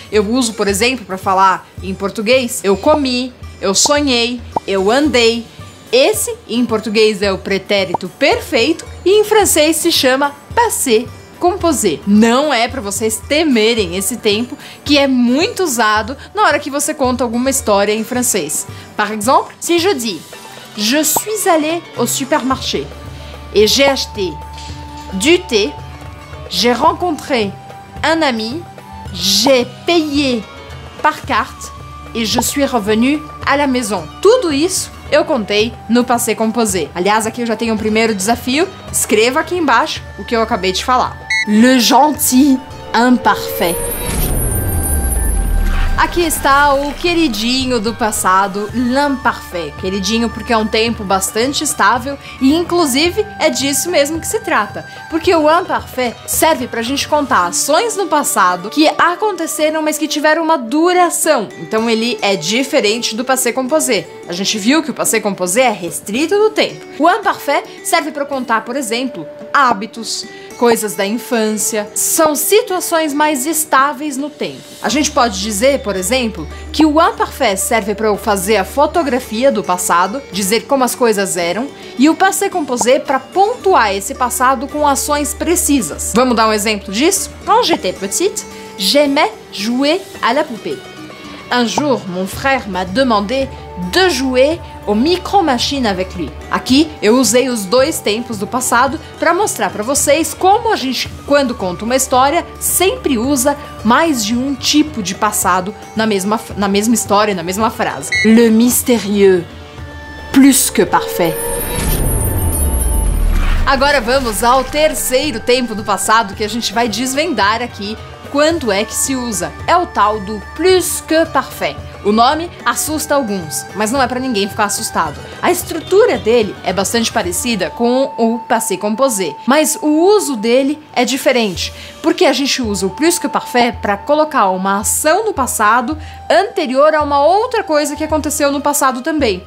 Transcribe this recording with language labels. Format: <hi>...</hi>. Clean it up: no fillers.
<pt>Eu uso, por exemplo, para falar em português, eu comi, eu sonhei, eu andei. Esse, em português, é o pretérito perfeito e em francês se chama passé composé. Não é para vocês temerem esse tempo, que é muito usado na hora que você conta alguma história em francês.</pt> <fr>Par exemple, si je dis, je suis allé au supermarché et j'ai acheté du thé, j'ai rencontré un ami, j'ai payé par carte et je suis revenu à la maison.</fr> <pt>Tudo isso eu contei no passé composé. Aliás, aqui eu já tenho um primeiro desafio. Escreva aqui embaixo o que eu acabei de falar.</pt> <fr>Le gentil imparfait.</fr> <pt>Aqui está o queridinho do passado, l'imparfait. Queridinho porque é um tempo bastante estável e, inclusive, é disso mesmo que se trata. Porque o imparfait serve pra gente contar ações no passado que aconteceram, mas que tiveram uma duração. Então ele é diferente do passé composé. A gente viu que o passé composé é restrito no tempo. O imparfait serve pra contar, por exemplo, hábitos, coisas da infância. São situações mais estáveis no tempo. A gente pode dizer, por exemplo, que o imparfait serve para eu fazer a fotografia do passado, dizer como as coisas eram, e o passé composé para pontuar esse passado com ações precisas. Vamos dar um exemplo disso?</pt> <fr>Quand j'étais petite, j'aimais jouer à la poupée. Un jour, mon frère m'a demandé de jouer au micro-machine avec lui.</fr> <pt>Aqui eu usei os dois tempos do passado para mostrar para vocês como a gente, quando conta uma história, sempre usa mais de um tipo de passado na mesma história, na mesma frase.</pt> <fr>Le mystérieux, plus que parfait.</fr> <pt>Agora vamos ao terceiro tempo do passado que a gente vai desvendar aqui. Quando é que se usa? É o tal do plus que parfait. O nome assusta alguns, mas não é para ninguém ficar assustado. A estrutura dele é bastante parecida com o passé composé, mas o uso dele é diferente, porque a gente usa o plus que parfait para colocar uma ação no passado anterior a uma outra coisa que aconteceu no passado também.</pt>